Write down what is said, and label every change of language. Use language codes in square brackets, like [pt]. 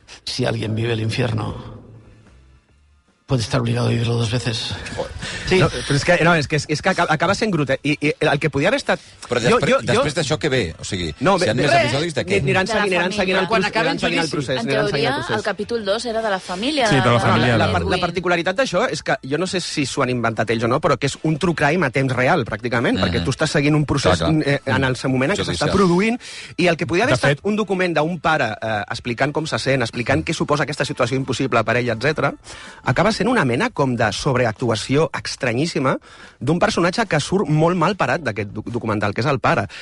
[es] Si alguien vive el infierno, puede estar obligado a vivirlo dos veces. [ca] Sí. No, és que acaba sent grute. I el que podia haver estat... Però després d'això que ve? O sigui, no, si han més episodis de què? Aniran seguint el procés. En teoria, el capítol 2 era de la família. Sí, de la família. La particularitat d'això és que, jo no sé si s'ho han inventat ells o no, però que és un true crime a temps real, pràcticament, perquè tu estàs seguint un procés en el seu moment en què s'està produint. I el que podia haver estat un document d'un pare explicant com se sent, explicant què suposa aquesta situació impossible per ell, etc., acaba sent una mena com de sobreactuació estranyíssima d'un personatge que surt molt mal parat d'aquest documental, que és el pare.